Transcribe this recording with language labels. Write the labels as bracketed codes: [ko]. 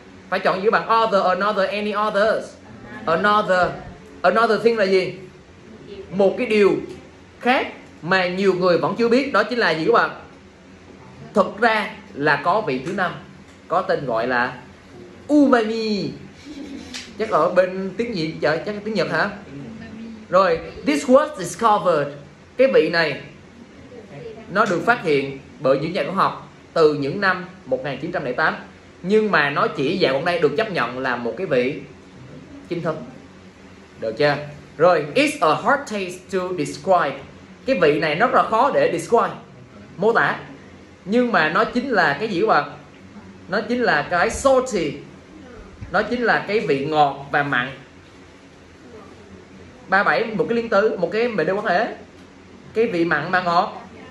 [vi] Phải chọn giữa bạn other, another, any others. Another. Another thing là gì? Một cái điều khác mà nhiều người vẫn chưa biết, đó chính là gì các bạn? Thực ra là có vị thứ năm, có tên gọi là umami. Chắc ở bên tiếng Việt, chắc tiếng Nhật hả? Rồi, [en] this was discovered. [vi] Cái vị này nó được phát hiện bởi những nhà khoa học từ những năm 1908, nhưng mà nó chỉ dạo hôm nay được chấp nhận là một cái vị chính thức. Được chưa? Rồi, [en] it's a hard taste to describe. [vi] Cái vị này nó rất là khó để describe, mô tả. Nhưng mà nó chính là cái gì các bạn? Nó chính là cái salty. Nó chính là cái vị ngọt và mặn. 37, một cái liên tử, một cái mệnh đề quan hệ. Cái vị mặn mà ngọt.